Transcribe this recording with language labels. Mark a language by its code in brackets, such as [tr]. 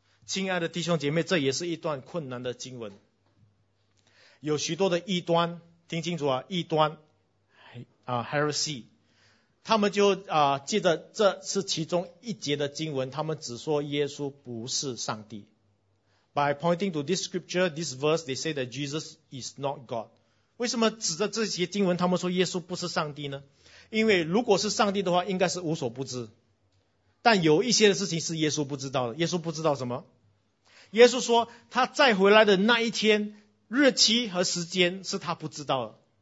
[zh] 亲爱的弟兄姐妹，这也是一段困难的经文，有许多的异端，听清楚啊，异端heresy， 他们就记得这是其中一节的经文，他们只说耶稣不是上帝， [en] By pointing to this scripture, this verse, they say that Jesus is not God. [zh] 为什么指着这些经文, 他们说耶稣不是上帝呢?因为如果是上帝的话, 应该是无所不知。但有一些事情是耶稣不知道的。耶稣不知道什么?耶稣说, 他再回来的那一天, 日期和时间是他不知道的。